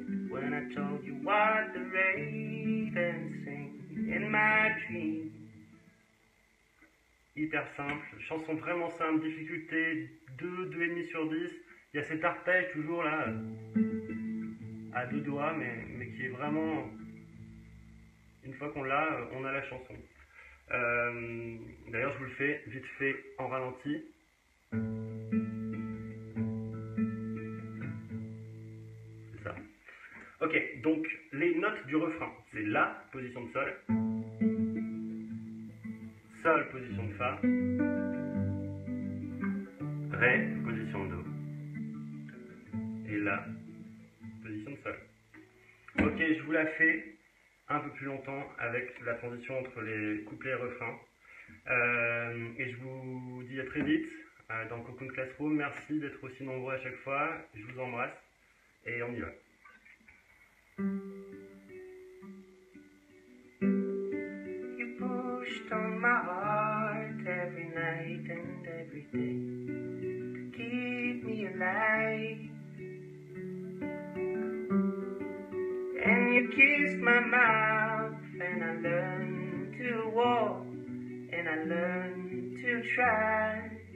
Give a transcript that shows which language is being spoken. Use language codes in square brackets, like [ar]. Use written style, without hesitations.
[en] When I told you what the ravens sing in my dream. [fr] Hyper simple, chanson vraiment simple, difficulté 2,5 sur 10. Il y a cet arpège toujours là, à deux doigts, mais qui est vraiment. Une fois qu'on l'a, on a la chanson. D'ailleurs, je vous le fais vite fait en ralenti. Ok, donc les notes du refrain, c'est La, position de Sol, Sol, position de Fa, Ré, position de Do, et La, position de Sol. Ok, je vous la fais un peu plus longtemps avec la transition entre les couplets et refrains. Et je vous dis à très vite dans Cocoon Classroom. Merci d'être aussi nombreux à chaque fois. Je vous embrasse et on y va. [en] You pushed on my heart every night and every day to keep me alive. And you kissed my mouth and I learned to walk and I learned to try.